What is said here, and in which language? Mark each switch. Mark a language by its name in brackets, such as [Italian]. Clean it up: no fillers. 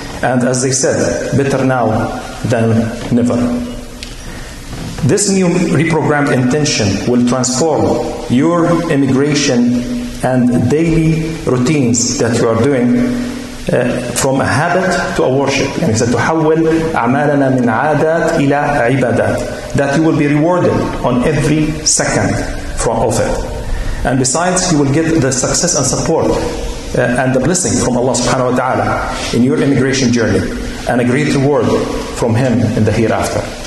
[English] And as they said, better now than never. This new reprogrammed intention will transform your immigration and daily routines that you are doing from a habit to a worship. And he said, [Arabic] تحول أعمالنا من عادات إلى عبادات. [English] That you will be rewarded on every second from of it. And besides, you will get the success and support and the blessing from Allah subhanahu wa ta'ala in your immigration journey, and a great reward from Him in the hereafter.